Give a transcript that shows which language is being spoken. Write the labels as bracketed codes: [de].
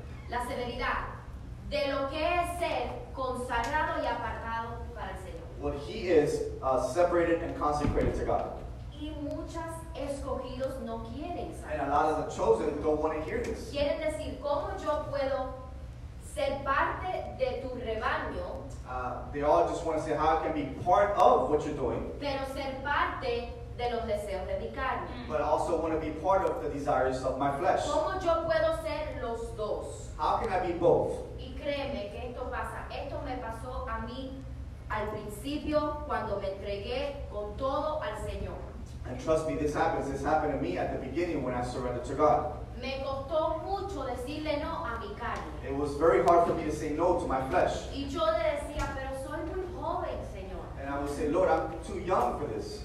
[es] La severidad de lo que es ser consagrado y apartado para el Señor. [en] What he is separated and consecrated to God. [es] Y muchas escogidos no quieren saber. [en] And a lot of the chosen don't want to hear this. [es] Quieren decir, ¿cómo yo puedo ser parte de tu rebaño? [en] They all just want to say, how I can be part of what you're doing. [es] Pero ser parte de los deseos de mi carne. [en] But I also want to be part of the desires of my flesh. [es] ¿Cómo yo puedo ser los dos? [en] How can I be both? [es] Y créeme que esto pasa. Esto me pasó a mí al principio cuando me entregué con todo al Señor. [en] And trust me, this happens. This happened to me at the beginning when I surrendered to God. [es] Me costó mucho decirle no a mi carne. [en] It was very hard for me to say no to my flesh. [es] Y yo le decía, pero soy muy joven, Señor. [en] And I would say, Lord, I'm too young for this.